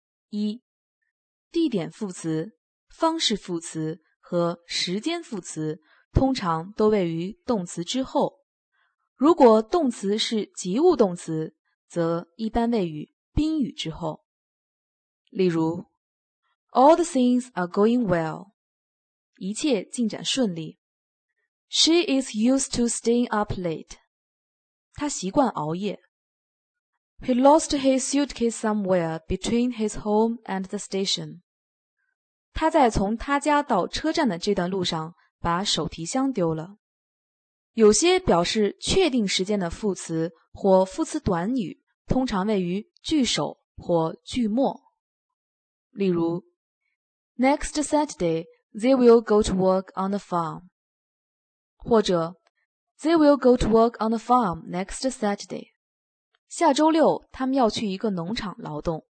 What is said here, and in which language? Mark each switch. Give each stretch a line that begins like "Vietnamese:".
Chinese: 一、地点副词、方式副词和时间副词通常都位于动词之后。如果动词是及物动词，则一般位于宾语之后。
English: 例如 All the things are going well.
Chinese: 一切进展顺利。
English: She is used to staying up late.
Chinese: 她习惯熬夜。
English: He lost his suitcase somewhere between his home and the station.
Chinese: 他在从他家到车站的这段路上把手提箱丢了。有些表示确定时间的副词或副词短语通常位于句首或句末。
English: 例如 Next Saturday, they will go to work on the farm. 或者 They will go to work on the farm next Saturday.
Chinese: 下周六他们要去一个农场劳动。